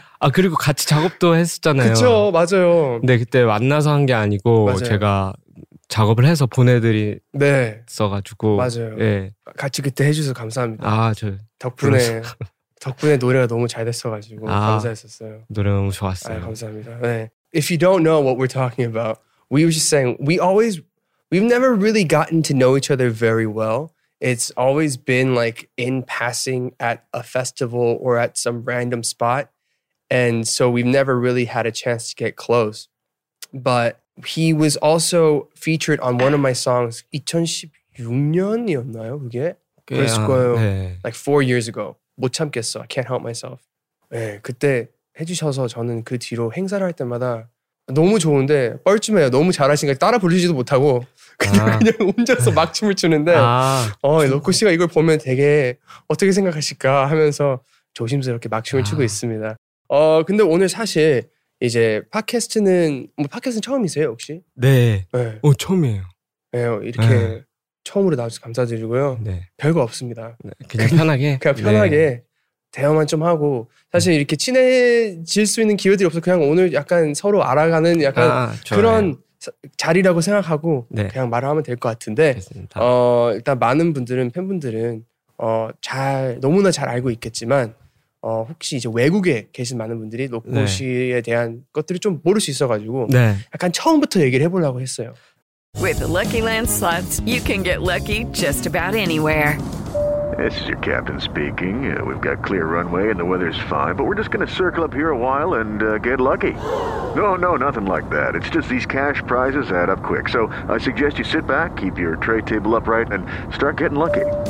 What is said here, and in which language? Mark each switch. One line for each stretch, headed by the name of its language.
Korean: 아 그리고 같이 작업도 했었잖아요 그쵸 맞아요 근데 그때 만나서 한 게 아니고 맞아요. 제가 작업을 해서 보내드렸어가지고 네. 맞아요 네. 같이 그때 해주셔서 감사합니다 아 저 덕분에 덕분에 노래가 너무 잘 됐어가지고 아, 감사했었어요 노래 너무 좋았어요 아, 감사합니다 네
English: If you don't know what we're talking about, we were just saying we've never really gotten to know each other very well. It's always been like in passing at a festival or at some random spot. And so we've never really had a chance to get close. But he was also featured on one of my songs,
Korean: 2016년이었나요, 그게? 그랬을까요? 네.
English: Like 4 years ago.
Korean: 못 참겠어.
English: I can't help myself.
Korean: 네, 그때 해주셔서 저는 그 뒤로 행사를 할 때마다 너무 좋은데 뻘쭘해요. 너무 잘하시니까 따라 부르지도 못하고 그냥, 아. 그냥 혼자서 막 춤을 추는데 아. 로코 씨가 이걸 보면 되게 어떻게 생각하실까 하면서 조심스럽게 막 춤을 아. 추고 있습니다. 근데 오늘 사실 이제 팟캐스트는 처음이세요 혹시? 네. 네. 처음이에요. 네, 이렇게 네. 처음으로 나와서 감사드리고요. 네. 별거 없습니다. 네. 그냥 편하게? 그냥 편하게. 네. 대화만 좀 하고 사실 이렇게 친해질 수 있는 기회들이 없어서 그냥 오늘 약간 서로 알아가는 약간 그런 자리라고 생각하고 네. 그냥 말을 하면 될 것 같은데 일단 많은 분들은 팬분들은 너무나 잘 알고 있겠지만 혹시 이제 외국에 계신 많은 분들이 로코 네. 씨에 대한 것들을 좀 모를 수 있어가지고 네. 약간 처음부터 얘기를 해보려고 했어요.
English: With the Lucky Land Slots, you can get lucky just about anywhere. This is your captain speaking. We've got clear runway and the weather's fine, but we're just going to circle up here a while and get lucky. No, no, nothing like that. It's just these cash prizes add up quick. So I suggest you sit back, keep your tray table upright, and start getting lucky.